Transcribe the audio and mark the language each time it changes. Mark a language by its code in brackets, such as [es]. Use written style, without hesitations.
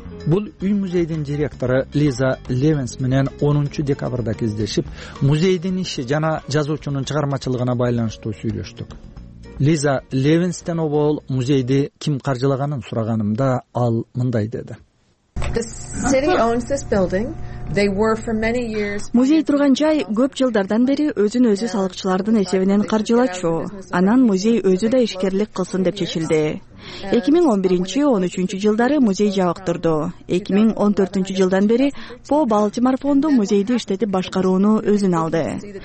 [ky] Бул үй музейдин директору Лиза Левенс менен 10 декабрда кездешип, музейдин иши жана жазуучунун чыгармачылыгына байланыштуу сүйлөштүк. Лиза Левенстен обол музейди ким каржылаганын сураганымда ал мындай деди. [en] The city owns this building. They were for many years. [ky] Музей турган жай көп жылдардан бери өзүн өзү салыкчылардын эсебинен каржылачу. Анан музей өзү да ишкерлик кылсын деп чечилди. 2011-13 жылдары музей жабык турду. 2014 жылдан бери По Балтимор фонду музейди иштетип башкарууну өзүн алды.